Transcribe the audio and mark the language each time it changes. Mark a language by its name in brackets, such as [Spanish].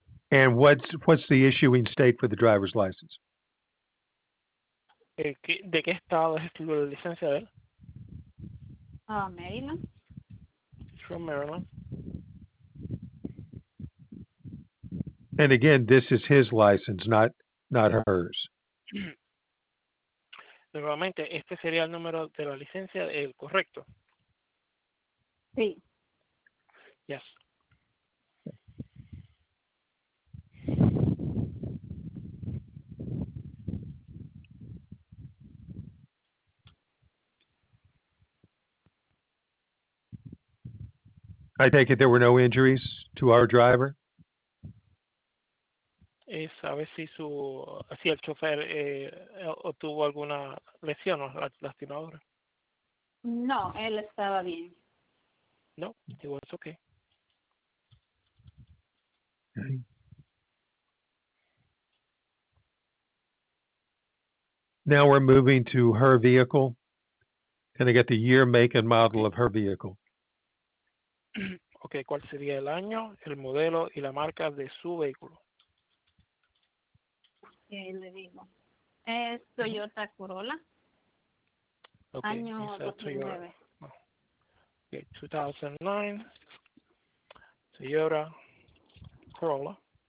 [English] And what's the issuing state for the driver's license? [Spanish] ¿De qué estado es la licencia de él? Maryland. [English] From Maryland. And again, this is his license, not hers. [Spanish] Nuevamente, este sería el número de la licencia, el correcto. Sí. [English] Yes. I take it there were no injuries to our driver? [Spanish] ¿Sabe si su si el chofer obtuvo alguna lesión o lastimadura? No, él estaba bien. [English] No, he was okay. Now we're moving to her vehicle. Can I get the year, make, and model of her vehicle? [Spanish] Okay, ¿cuál sería el año, el modelo y la marca de su vehículo? Sí, le digo. Es Toyota Corolla. Okay, Año 2009. [English] Okay, 2009. Toyota Corolla.